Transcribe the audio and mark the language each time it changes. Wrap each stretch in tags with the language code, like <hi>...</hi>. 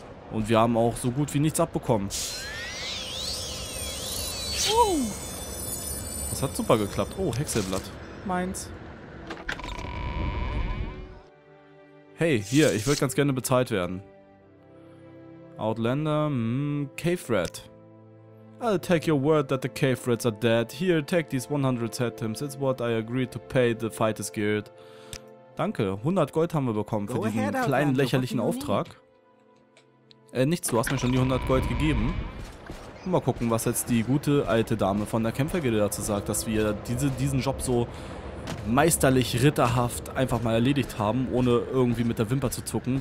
<de>Und wir haben auch so gut wie nichts abbekommen. Das hat super geklappt. Oh, Häckselblatt. Meins. Hey, hier, ich würde ganz gerne bezahlt werden.</de> <en>Outlander, Cave Rat. I'll take your word that the Cave Rats are dead. Here, take these 100 Satems. It's what I agreed to pay the Fighters Guild.</en> <de>Danke, 100 Gold haben wir bekommen für diesen kleinen lächerlichen Auftrag. Nichts, du hast mir schon die 100 Gold gegeben. Mal gucken, was jetzt die gute alte Dame von der Kämpfergilde dazu sagt, dass wir diesen Job so meisterlich, ritterhaft einfach mal erledigt haben, ohne irgendwie mit der Wimper zu zucken.</de>